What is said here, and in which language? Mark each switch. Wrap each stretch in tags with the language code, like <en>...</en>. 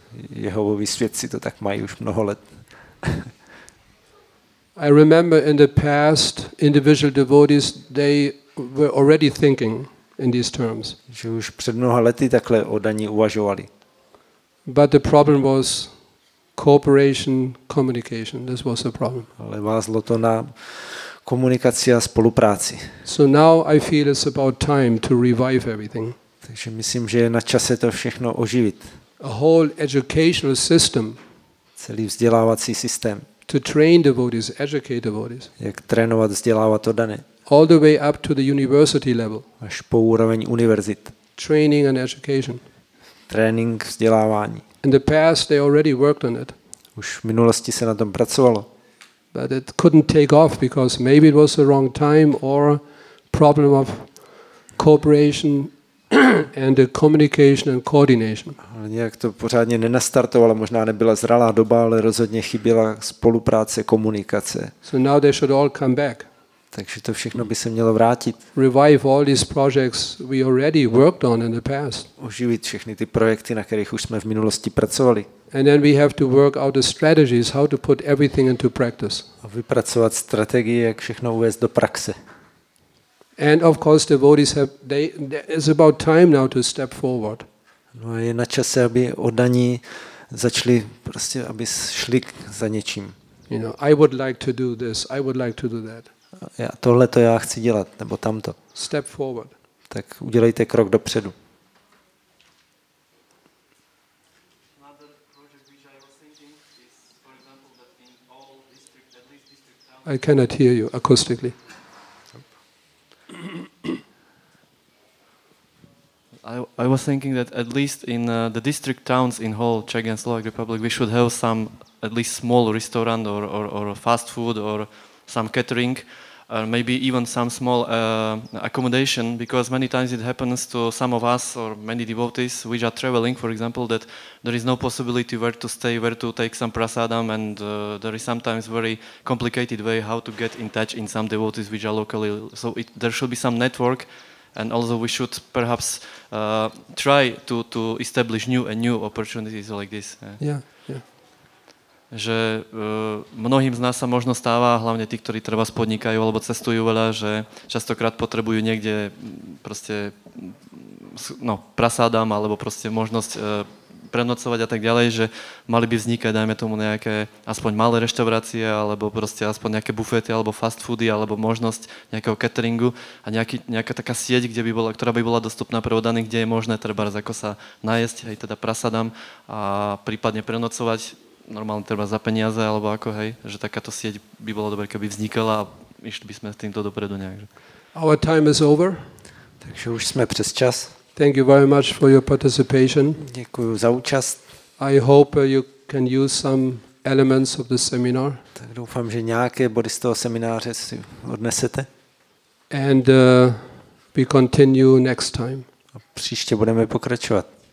<cs>Jehovovi svědci to tak mají už mnoho let.</cs> <en>I remember in the past individual devotees they were already thinking in these terms.</en> <cs>Že už před mnoha lety takhle oddaní uvažovali.</cs> <en>But the problem was cooperation, communication. This was the problem.</en> <cs>Ale vázlo to na komunikaci a spolupráci.</cs> <en>So now I feel it's about time to revive everything.</en> <cs>Takže myslím, že je na čase to všechno oživit.</cs> <en>A whole educational system.</en> <cs>Celý vzdělávací systém.</cs> <en>To train devotees, educate devotees.</en> <cs>Jak trénovat, vzdělávat oddané.</cs> <en>All the way up to the university level.</en> <cs>Až po úroveň univerzit.</cs> <en>Training and education.</en> <cs>Training, vzdělávání.</cs> <en>In the past they already worked on it.</en> <cs>Už v minulosti se na tom pracovalo.</cs> <en>But it couldn't take off because maybe it was the wrong time or problem of cooperation and the communication and coordination.</en> <cs>Ale nějak to pořádně nenastartovalo, možná nebyla zralá doba, ale rozhodně chyběla spolupráce, komunikace.</cs> <en>So now they should all come back.</en> <cs>Takže to všechno by se mělo vrátit.</cs> <en>Revive all these projects we already worked on in the past.</en> <cs>Oživit všechny ty projekty, na kterých už jsme v minulosti pracovali.</cs> <en>And then we have to work out the strategies how to put everything into practice.</en> <cs>A vypracovat strategie, jak všechno uvést do praxe.</cs> <en>And of course the devotees have it's about time now to step forward.</en> <cs>No a je na čase, aby oddaní začali prostě aby šli za něčím.</cs> <en>You know, I would like to do this, I would like to do that.</en> <cs>Já, tohle to já chci dělat, nebo tamto.</cs> <en>Step forward.</en> <cs>Tak udělejte krok dopředu.</cs> <en>I cannot hear you acoustically. I was thinking that at least in the district towns in whole Czech and Slovak Republic we should have some at least small restaurant or fast food or some catering or maybe even some small accommodation, because many times it happens to some of us or many devotees which are traveling, for example, that there is no possibility where to stay, where to take some prasadam, and there is sometimes very complicated way how to get in touch in some devotees which are locally. So it, there should be some network, and also we should perhaps try to establish new opportunities like this.</en> <sk>Že mnohým z nás sa možno stáva, hlavne tí, ktorí treba podnikajú alebo cestujú veľa, že častokrát potrebujú niekde proste no, prasádam alebo proste možnosť prenocovať a tak ďalej, že mali by vznikať, dajme tomu, nejaké aspoň malé reštaurácie alebo proste aspoň nejaké bufety alebo fast foody alebo možnosť nejakého cateringu a nejaká taká sieť, kde by bola, ktorá by bola dostupná pre oddaní, kde je možné treba ako sa najesť, aj teda prasádam a prípadne prenocovať normálne treba za peniaze, alebo ako, hej, že takáto sieť by bola dobrá, keby vznikala a išli by sme s týmto dopredu nejak.</sk> <en>Our time is over.</en> <cs>Takže už sme přes čas.</cs> <en>Thank you very much for your participation.</en> <cs>Děkuji za účast.</cs> <en>I hope you can use some elements of the seminar.</en> <cs>Tak doufám, že nějaké body z toho semináře si odnesete.</cs> <en>And we continue next time.</en> <cs>A příště budeme pokračovat.</cs>